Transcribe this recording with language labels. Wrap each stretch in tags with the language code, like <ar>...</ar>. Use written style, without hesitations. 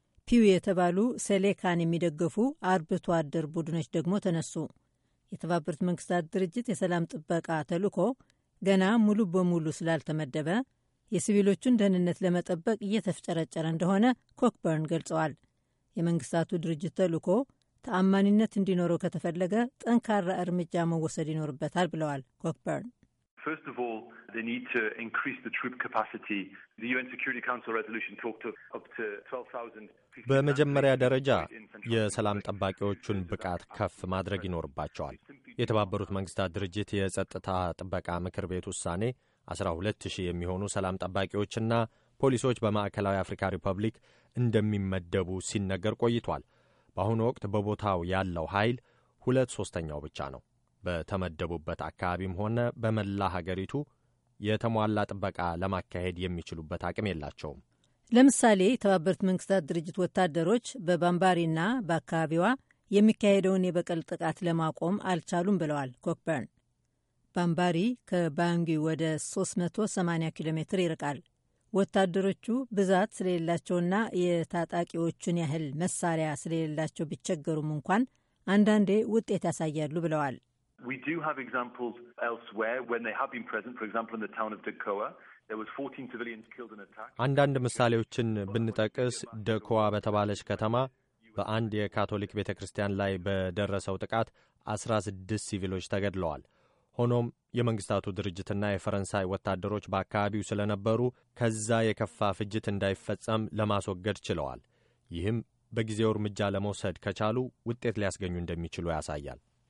<am>ፒው የተባሉ ሴሌካን የሚደግፉ አርብቶ አደር ቡድኖች ደግሞ ተነሱ። የተባበሩት መንግስታት ድርጅት የሰላም ጥበቃ ተልእኮ ገና ሙሉ በሙሉ ስላልተመደበ የሲቪሎቹን ደህንነት ለመጠበቅ እየተፍጨረጨረ እንደሆነ ኮክበርን ገልጸዋል። የመንግስታቱ ድርጅት ተልእኮ ተአማኒነት እንዲኖረው ከተፈለገ ጠንካራ እርምጃ መወሰድ ይኖርበታል ብለዋል ኮክበርን።</am> <en>First of all, they need to increase the troop capacity. The UN Security Council resolution talked of up to 12,000.</en> <am>በመጀመሪያ ደረጃ የሰላም ጠባቂዎቹን ብቃት ከፍ ማድረግ ይኖርባቸዋል። የተባበሩት መንግስታት ድርጅት የጸጥታ ጥበቃ ምክር ቤት ውሳኔ 12,000 የሚሆኑ ሰላም ጠባቂዎችና ፖሊሶች በማዕከላዊ አፍሪካ ሪፐብሊክ እንደሚመደቡ ሲነገር ቆይቷል። በአሁኑ ወቅት በቦታው ያለው ኃይል 2/3 ብቻ ነው። በተመደቡበት አካባቢም ሆነ በመላ ሀገሪቱ የተሟላ ጥበቃ ለማካሄድ የሚችሉበት አቅም የላቸውም። ለምሳሌ የተባበሩት መንግስታት ድርጅት ወታደሮች በባምባሪና በአካባቢዋ የሚካሄደውን የበቀል ጥቃት ለማቆም አልቻሉም ብለዋል ኮክበርን። ባምባሪ ከባንጊ ወደ 380 ኪሎ ሜትር ይርቃል። ወታደሮቹ ብዛት ስለሌላቸውና የታጣቂዎቹን ያህል መሳሪያ ስለሌላቸው ቢቸገሩም እንኳን አንዳንዴ ውጤት ያሳያሉ ብለዋል።</am> <en>We do have examples elsewhere when they have been present. For example, in the town of Dekoa, there was 14 civilians killed in an attack.</en> <am>አንዳንድ ምሳሌዎችን ብንጠቅስ ደኮዋ በተባለች ከተማ በአንድ የካቶሊክ ቤተክርስቲያን ላይ በደረሰው ጥቃት 16 ሲቪሎች ተገድለዋል። ሆኖም የመንግስታቱ ድርጅትና የፈረንሳይ ወታደሮች በአካባቢው ስለነበሩ ከዛ የከፋ ፍጅት እንዳይፈጸም ለማስወገድ ችለዋል። ይህም በጊዜው እርምጃ ለመውሰድ ከቻሉ ውጤት ሊያስገኙ እንደሚችሉ ያሳያል።</am>